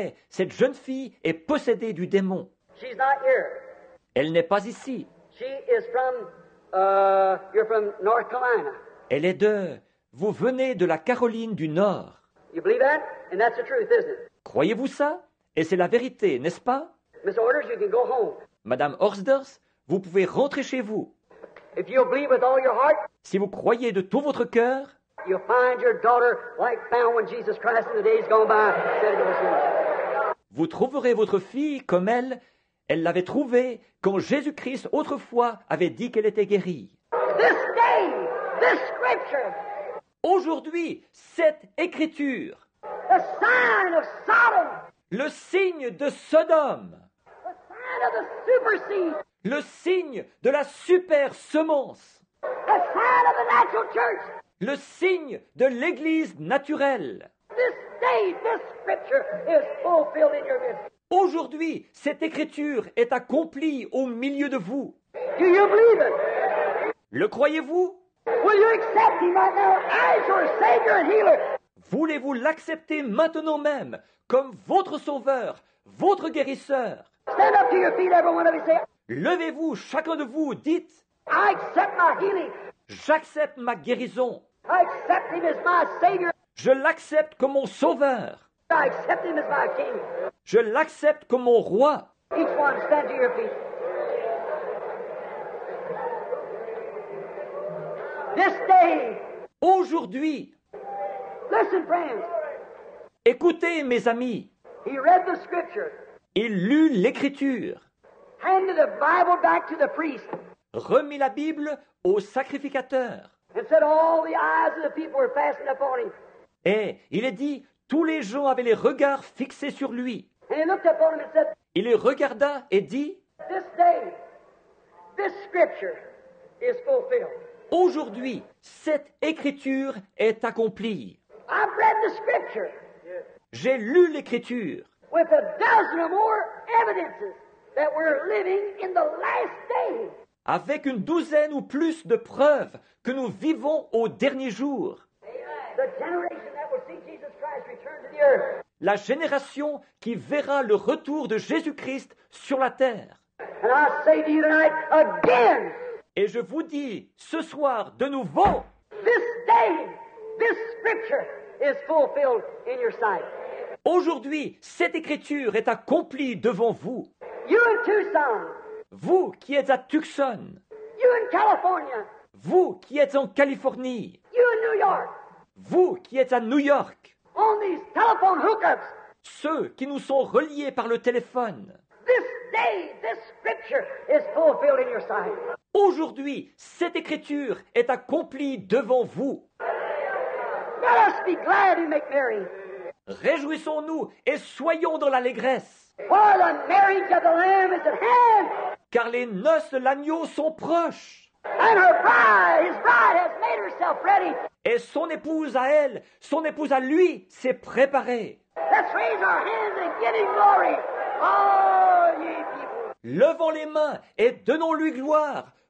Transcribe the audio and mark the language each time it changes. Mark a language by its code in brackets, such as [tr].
[fr] Cette jeune fille est possédée du démon. [en] She's not here. [fr] Elle n'est pas ici. [en] She is from, you're from North Carolina. [fr] Elle est de... Vous venez de la Caroline du Nord. [en] You believe that? And that's the truth, isn't it? [fr] Croyez-vous ça? Et c'est la vérité, n'est-ce pas? [en] Miss Orders, you can go home. [fr] Madame Orsders, vous pouvez rentrer chez vous. [en] If you believe with all your heart, [fr] si vous croyez de tout votre cœur, [en] you'll find your daughter like found when Jesus Christ in the days gone by said it was him. [fr] Vous trouverez votre fille comme elle. Elle l'avait trouvée quand Jésus-Christ autrefois avait dit qu'elle était guérie. [en] This day, this scripture. [fr] Aujourd'hui, cette écriture. [en] The sign of Sodom. [fr] Le signe de Sodome. [en] The sign of the super seed. [fr] Le signe de la super semence. [en] The sign of the natural church. [fr] Le signe de l'église naturelle. [en] This day, this scripture is fulfilled in your midst. [fr] Aujourd'hui, cette écriture est accomplie au milieu de vous. [en] Do you believe it? [fr] Le croyez-vous? [en] Will you accept him right now as your savior and healer? [fr] Voulez-vous l'accepter maintenant même comme votre sauveur, votre guérisseur? [en] Stand up to your feet, everyone of you, say. [fr] Levez-vous, chacun de vous, dites. [en] I accept my healing. [fr] J'accepte ma guérison. [en] I accept him as my savior. [fr] Je l'accepte comme mon sauveur. [en] I accept him as my king. [fr] Je l'accepte comme mon roi. [en] Each one, stand to your feet. This day. [fr] Aujourd'hui. [en] Listen, friends. [fr] Écoutez, mes amis. [en] He read the scripture. [fr] Il lut l'écriture. [en] Handed the Bible back to the priest. [fr] Remit la Bible au sacrificateur. [en] And said all the eyes of the people were fastened upon him. [fr] Et il est dit, tous les gens avaient les regards fixés sur lui. [en] And he looked up on him and said, [fr] il les regarda et dit, [en] this day, this scripture is fulfilled. [fr] Aujourd'hui, cette écriture est accomplie. [en] I've read the scripture. [fr] J'ai lu l'écriture. [en] With a dozen or more evidences that we're living in the last day. [fr] Avec une douzaine ou plus de preuves que nous vivons au dernier jour. [en] The generation that will see Jesus Christ return to the earth. [fr] La génération qui verra le retour de Jésus-Christ sur la terre. [en] And I say to you tonight, again, [fr] et je vous dis ce soir de nouveau, [en] this day, this scripture is fulfilled in your sight. [fr] Aujourd'hui, cette écriture est accomplie devant vous. [en] You in Tucson, [fr] vous qui êtes à Tucson, [en] you in California, [fr] vous qui êtes en Californie, [en] you in New York, [fr] vous qui êtes à New York, [en] on these telephone hookups, [fr] ceux qui nous sont reliés par le téléphone. [en] This day, this scripture is fulfilled in your sight. [fr] Aujourd'hui, cette écriture est accomplie devant vous. [en] Let us be glad and make merry. [fr] Réjouissons-nous et soyons dans l'allégresse. [en] For the marriage of the Lamb is at hand. [fr] Car les noces de l'agneau sont proches. [en] And her bride, his bride has made herself ready. [fr] Et son épouse à elle, son épouse à lui, s'est préparée. [en] Let's raise our hands and give him glory. Oh, ye people. [fr] Levons les mains et donnons-lui gloire,